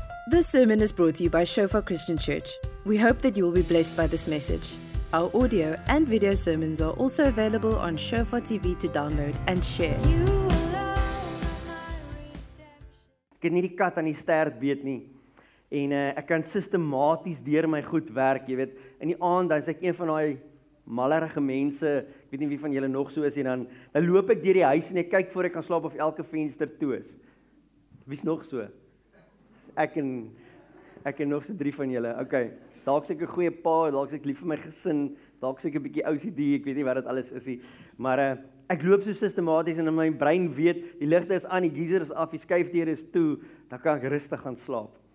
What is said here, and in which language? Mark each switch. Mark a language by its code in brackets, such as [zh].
[en] This sermon is brought to you by Shofar Christian Church. We hope that you will be blessed by this message. Our audio and video sermons are also available on Shofar TV to download and share. [af] Ek het nie die kat aan die stert beet nie. En ek kan sistematies deur my goed werk, jy weet. In die aand dan is ek een van daai malerige mense, ek weet nie wie van julle nog so is, en dan loop ek deur die huis en ek kyk voor ek kan slaap of elke venster toe is. Wie's nog so? Ek en nog so 3 van julle. Ok, dalk sê ek 'n goeie pa, dalk sê ek lief vir my gesin, dalk sê ek 'n bietjie OCD, ek weet nie wat dit alles is nie. Maar ek loop so sistematies en in my brein weet, die ligte is aan, die geyser is af, die skuifdeur is toe, dan kan ek rustig gaan slaap.